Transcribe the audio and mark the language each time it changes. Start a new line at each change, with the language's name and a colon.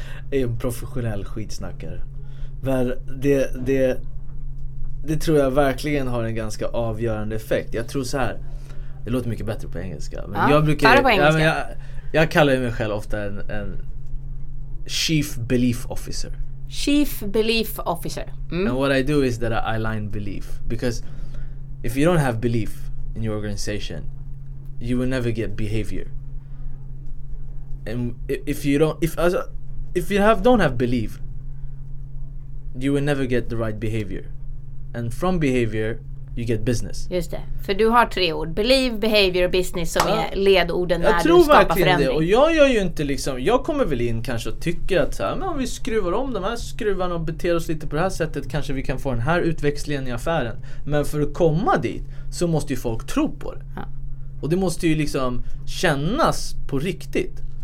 Swedish: Jag är en professionell skitsnackare. Det tror jag verkligen har en ganska avgörande effekt. Jag tror så här. Det låter mycket bättre på engelska. Men ja, jag brukar, på engelska. Ja, men jag kallar mig själv ofta en
English: chief belief officer. Chief belief officer. And what I do is that I align belief. Because if you don't have belief in your organization, you will never get behavior. And if you don't have belief, you will never get the right behavior. And from behavior, you get business.
Swedish: Just det, för du har tre ord, believe, behavior och business, som är ledorden när du skapar förändring. Jag tror verkligen det, och jag gör ju inte liksom, jag kommer väl in kanske och tycker att så här, men om vi skruvar om de här skruvarna och beter oss lite på det här sättet, kanske vi kan få den här utväxlingen i affären. Men för att komma dit så måste ju folk tro på det. Och det måste ju liksom kännas på riktigt.